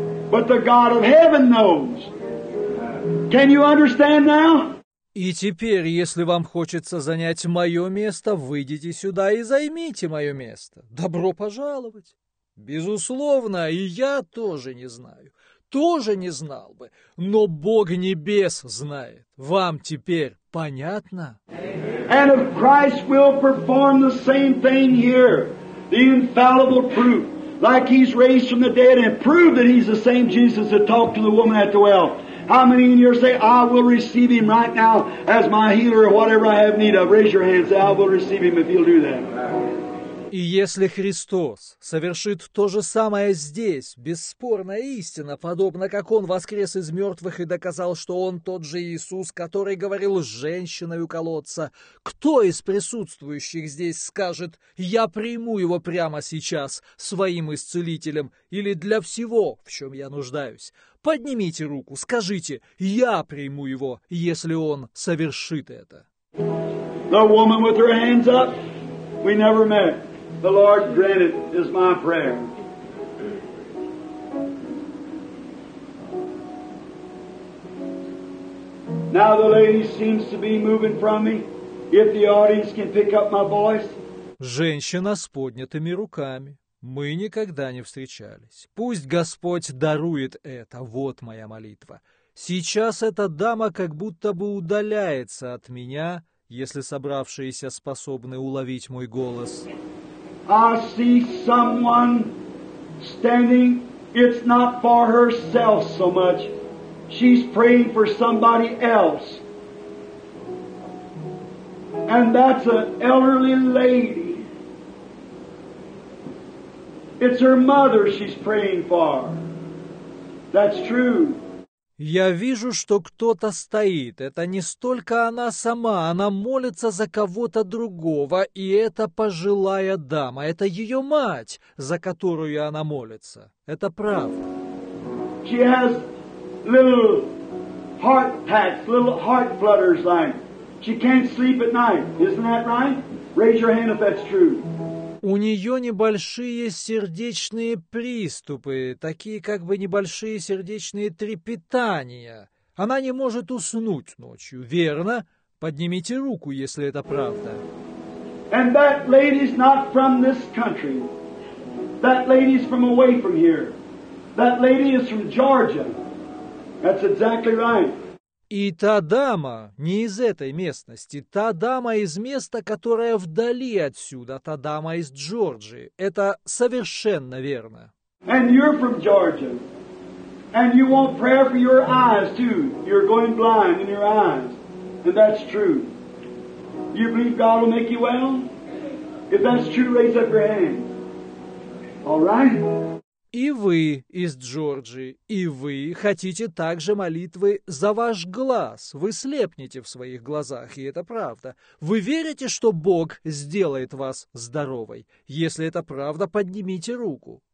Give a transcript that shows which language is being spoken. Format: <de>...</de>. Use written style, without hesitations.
<en>But the God of heaven knows. Can you understand now?</en> <ru>И теперь, если вам хочется занять мое место, выйдите сюда и займите мое место. Добро пожаловать. Безусловно, и я тоже не знаю. Тоже не знал бы. Но Бог небес знает. Вам теперь понятно?</ru> <en>And if Christ will perform the same thing here, the infallible proof, like he's raised from the dead and proved that he's the same Jesus that talked to the woman at the well. How many in here say, I will receive him right now as my healer or whatever I have need of? Raise your hands, say, I will receive him if you'll do that.</en> <ru>И если Христос совершит то же самое здесь, бесспорная истина, подобно как Он воскрес из мертвых и доказал, что Он тот же Иисус, который говорил с женщиной у колодца, кто из присутствующих здесь скажет, я приму Его прямо сейчас своим исцелителем или для всего, в чем я нуждаюсь? Поднимите руку, скажите, я приму Его, если Он совершит это.</ru> <en>The woman with her hands up, we never met. The Lord grant it is my prayer. Now the lady seems to be moving from me. If the audience can pick up my voice.</en> <ru>Женщина с поднятыми руками. Мы никогда не встречались. Пусть Господь дарует это. Вот моя молитва. Сейчас эта дама как будто бы удаляется от меня, если собравшиеся способны уловить мой голос.</ru> <en>I see someone standing. It's not for herself so much. She's praying for somebody else. And that's an elderly lady. It's her mother she's praying for. That's true.</en> <ru>Я вижу, что кто-то стоит. Это не столько она сама, она молится за кого-то другого, и это пожилая дама, это ее мать, за которую она молится. Это правда.</ru> <en>She has little heart pats, little heart flutters like. She can't sleep at night. Isn't that right? Raise your hand if that's true.</en> <ru>У нее небольшие сердечные приступы, такие как бы небольшие сердечные трепетания. Она не может уснуть ночью, верно? Поднимите руку, если это правда.</ru> <en>And that lady's not from this country. That lady's from away from here. That lady is from Georgia. That's exactly right.</en> <ru>И та дама не из этой местности, та дама из места, которое вдали отсюда, та дама из Джорджии. Это совершенно верно.</ru> <en>And you're from Georgia. And you want prayer for your eyes too. You're going blind in your eyes. And that's true. You believe God will make you well? If that's true, raise up your hand. All right?</en> <ru>И вы из Джорджии, и вы хотите также молитвы за ваш глаз. Вы слепнете в своих глазах, и это правда. Вы верите, что Бог сделает вас здоровой? Если это правда, поднимите руку.</ru>